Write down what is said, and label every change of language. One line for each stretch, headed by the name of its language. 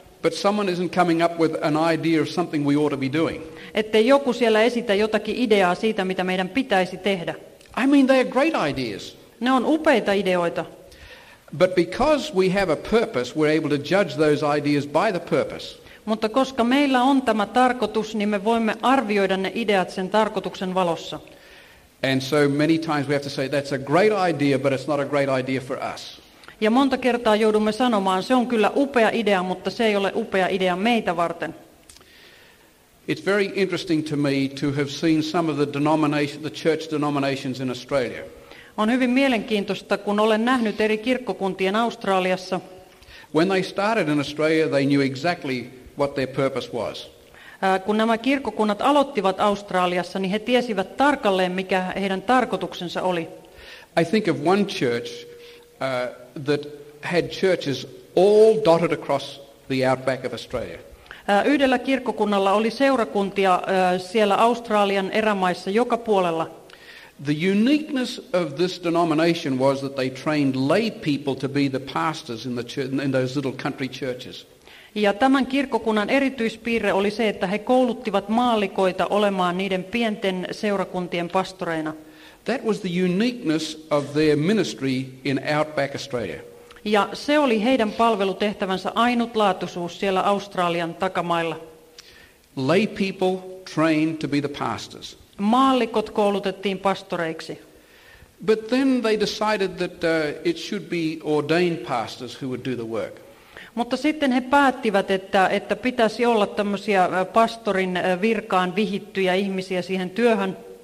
English: But someone isn't coming up with an idea of something we ought to be doing.
Finnish: Ettei joku siellä esitä jotakin ideaa siitä, mitä meidän pitäisi tehdä.
English: I mean, they are great ideas.
Finnish: Ne on upeita ideoita.
English: But because we have a purpose, we're able to judge those ideas by the purpose.
Finnish: Mutta koska meillä on tämä tarkoitus, niin me voimme arvioida ne ideat sen tarkoituksen valossa.
English: And so many times we have to say that's a great idea, but it's not a great idea for us.
Finnish: Ja monta kertaa joudumme sanomaan, se on kyllä upea idea, mutta se ei ole upea idea meitä varten.
English: It's very interesting to me to have seen some of the church denominations in Australia.
Finnish: On hyvin mielenkiintoista, kun olen nähnyt eri kirkkokuntien Australiassa.
English: When they started in Australia, they knew exactly what their purpose was.
Finnish: Kun nämä kirkkokunnat aloittivat Australiassa, niin he tiesivät tarkalleen, mikä heidän tarkoituksensa oli.
English: I think of one church that had churches all dotted across the outback of Australia.
Finnish: Yhdellä kirkkokunnalla oli seurakuntia siellä Australian erämaissa joka puolella.
English: The uniqueness of this denomination was that they trained lay people to be the pastors in those little country churches.
Finnish: Ja tämän kirkkokunnan erityispiirre oli se, että he kouluttivat maallikoita olemaan niiden pienten seurakuntien pastoreina.
English: That was the uniqueness of their ministry in outback Australia.
Finnish: Ja se oli heidän palvelutehtävänsä ainutlaatuisuus siellä Australian takamailla.
English: Lay people trained to be the pastors.
Finnish: Maallikot koulutettiin pastoreiksi.
English: But then they decided that it should be ordained pastors who would do the work.
Finnish: Mutta sitten he päättivät, että pitäisi olla tämmöisiä pastorin virkaan vihittyjä ihmisiä siihen työhön.